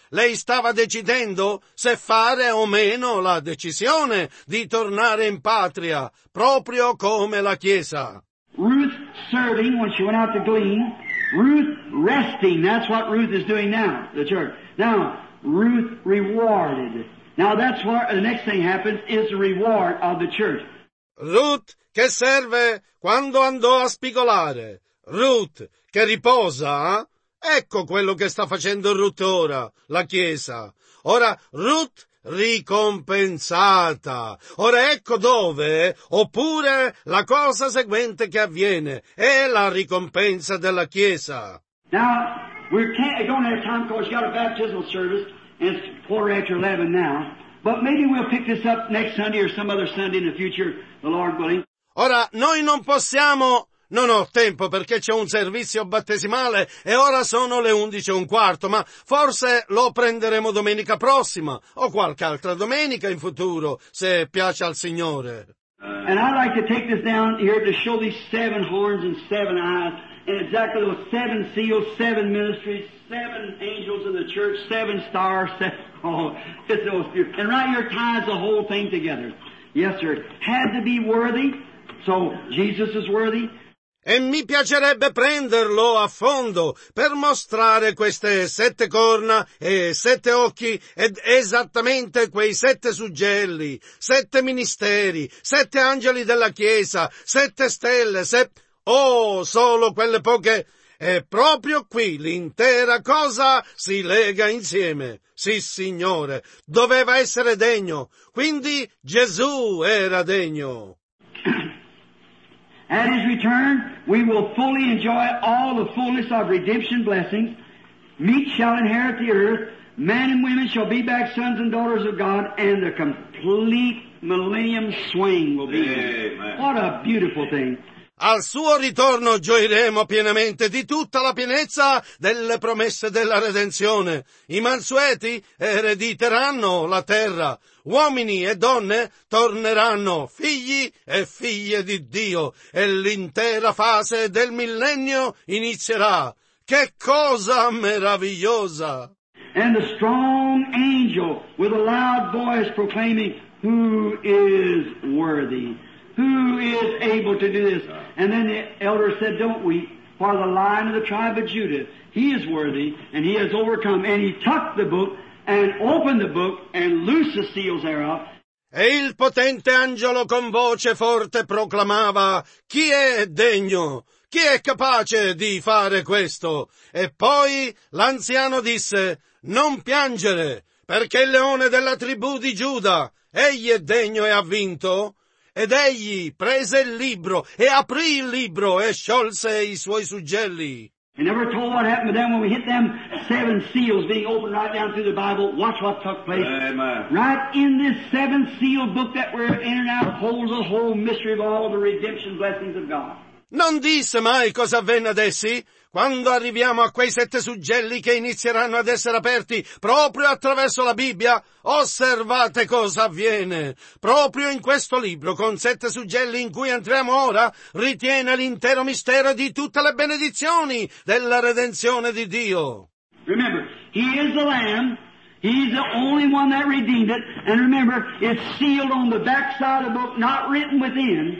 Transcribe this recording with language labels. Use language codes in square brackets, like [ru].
[it] Lei stava decidendo se fare o meno la decisione di tornare in patria, proprio come la Chiesa. [en] Ruth serving when she went out to glean. Ruth resting. That's what Ruth is doing now, the church. Now, Ruth rewarded. Now that's where the next thing happens is the reward of the church. [it] Ruth che serve quando andò a spigolare. Ruth che riposa. Ecco quello che sta facendo Ruth ora, la Chiesa. Ora, Ruth ricompensata. Ora ecco dove, oppure la cosa seguente che avviene, è la ricompensa della Chiesa. [en] Now, we can't, don't have time, because you got a baptismal service, and it's quarter after 11 now, but maybe we'll pick this up next Sunday or some other Sunday in the future, the Lord willing. [it] Ora, noi non possiamo... Non ho tempo perché c'è un servizio battesimale e ora sono le 11:15, ma forse lo prenderemo domenica prossima o qualche altra domenica in futuro, se piace al Signore. [en] And I'd like to take this down here to show these seven horns and seven eyes and exactly those seven seals, seven ministries, seven angels in the church, seven stars, seven, oh, it's those, and right here ties the whole thing together. Yes, sir. Had to be worthy, so Jesus is worthy. [it] E mi piacerebbe prenderlo a fondo per mostrare queste sette corna e sette occhi ed esattamente quei sette suggelli, sette ministeri, sette angeli della Chiesa, sette stelle, oh, solo quelle poche. E proprio qui l'intera cosa si lega insieme. Sì, Signore, doveva essere degno, quindi Gesù era degno. [en] At his return, we will fully enjoy all the fullness of redemption blessings. Meat shall inherit the earth. Men and women shall be back sons and daughters of God, and the complete millennium swing will be here. What a beautiful thing. [it] Al suo ritorno gioiremo pienamente di tutta la pienezza delle promesse della redenzione. I mansueti erediteranno la terra. Uomini e donne torneranno figli e figlie di Dio. E l'intera fase del millennio inizierà. Che cosa meravigliosa! [en] And the strong angel with a loud voice proclaiming, who is worthy? Who is able to do this? And then the elder said, don't weep, for the Lion of the tribe of Judah, he is worthy, and he has overcome. And he took the book, and opened the book, and loosed the seals thereof. [it] E il potente angelo con voce forte proclamava, chi è degno? Chi è capace di fare questo? E poi l'anziano disse, non piangere, perché il leone della tribù di Giuda, egli è degno e ha vinto. Ed egli prese il libro e aprì il libro e sciolse i suoi suggelli. [en] They never told what happened to them when we hit them seven seals being opened right down through the Bible. Watch what took place. Amen. Right in this seventh seal book that we're in and out holds the whole mystery of all the redemption blessings of God. [it] Non disse mai cosa avvenne ad essi? Quando arriviamo a quei sette suggelli che inizieranno ad essere aperti proprio attraverso la Bibbia, osservate cosa avviene. Proprio in questo libro, con sette suggelli in cui entriamo ora, ritiene l'intero mistero di tutte le benedizioni della redenzione di Dio. [en] Remember, he is the Lamb, he is the only one that redeemed it, and remember, it's sealed on the back side of the book, not written within.